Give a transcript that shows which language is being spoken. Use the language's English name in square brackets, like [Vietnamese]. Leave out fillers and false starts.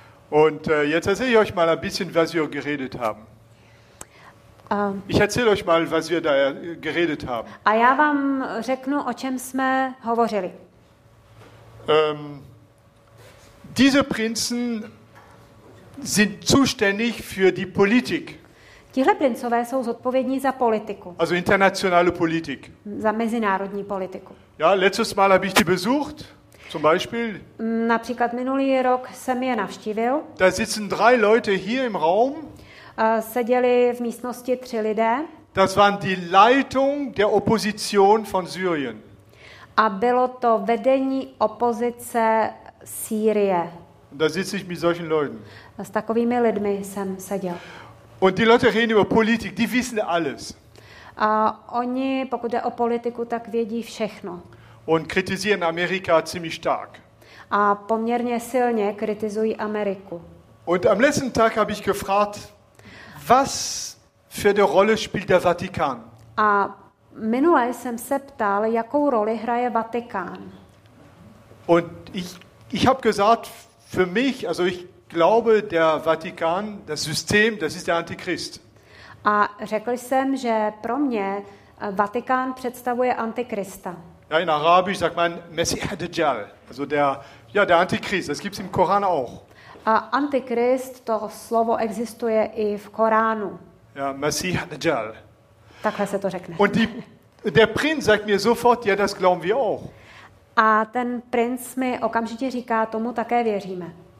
[German] Und jetzt erzähle ich euch mal ein bisschen, was wir geredet haben. Ich erzähle euch mal, was wir da geredet haben. [Czech] A já vám řeknu, o čem jsme hovořili. [German] Diese Prinzen sind zuständig für die Politik. [Czech] Tihle princové jsou zodpovědní za politiku. [German] Also internationale Politik. [Czech] Za mezinárodní politiku. [German] Ja, letztes Mal habe ich die besucht, zum Beispiel. [Czech] Například minulý rok jsem je navštívil. [German] Da sitzen 3 Leute hier im Raum. [Czech] Seděli v místnosti 3 lidé. [German] Das waren die Leitung der Opposition von Syrien. [Czech] A bylo to vedení opozice Sýrie. [German] Da sitze ich mit solchen Leuten. [Czech] S takovými lidmi jsem seděl. [German] Und die Leute reden über Politik, die wissen alles. [Czech] A oni, pokud jde o politiku, tak vědí všechno. [German] Und kritisieren Amerika ziemlich stark. [Czech] A poměrně silně kritizují Ameriku. [German] Und am letzten Tag habe ich gefragt, was für eine Rolle spielt der Vatikan? [Czech] A minule jsem se ptal, jakou roli hraje Vatikán. [German] Und ich habe gesagt, für mich, also ich glaube, der Vatikan, das System, das ist der Antichrist. [Czech] A řekl jsem, že pro mě Vatikán představuje antikrista. [German] Ja, in Arabisch sagt man Messiah Dajjal, also der, ja, der Antichrist. Das gibt's im Koran auch. [Czech] A antikrist, to slovo existuje i v Koránu. [German] Ja, Messiah Dajjal. [Czech] Takhle se to řekne. [German] Und die, der Prinz sagt mir sofort, ja, das glauben wir auch. [Czech] A ten princ mi okamžitě říká, tomu také věříme.